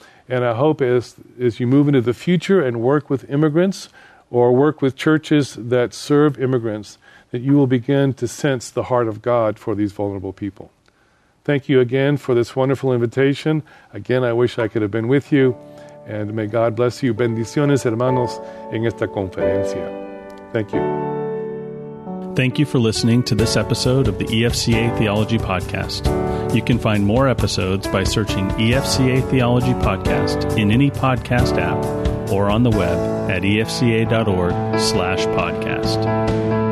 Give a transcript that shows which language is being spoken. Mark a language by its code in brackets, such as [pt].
[en] And I hope as you move into the future and work with immigrants or work with churches that serve immigrants, that you will begin to sense the heart of God for these vulnerable people. Thank you again for this wonderful invitation. Again, I wish I could have been with you. And may God bless you. [es] Bendiciones, hermanos, en esta conferencia. [en] Thank you. Thank you for listening to this episode of the EFCA Theology Podcast. You can find more episodes by searching EFCA Theology Podcast in any podcast app or on the web at efca.org/podcast.